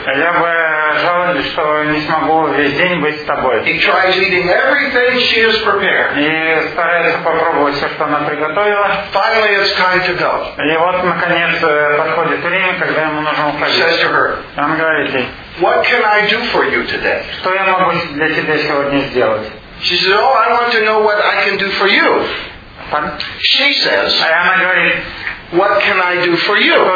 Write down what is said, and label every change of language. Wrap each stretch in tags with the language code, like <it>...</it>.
<ru>Я бы жалел, что не смогу весь день быть с тобой.</ru> <en>He tries eating everything she has prepared.</en> <ru>И старается попробовать все, что она приготовила.</ru> <en>Finally, it's time to go.</en> <ru>И вот, наконец, подходит время, когда ему нужно уходить.</ru> <en>He says to her,</en> <ru>он говорит ей,</ru> <en>what can I do for you today?</en> <ru>Что я могу для тебя сегодня сделать?</ru> <en>She says, oh, I want to know what I can do for you. She says, what can I do for you?</en>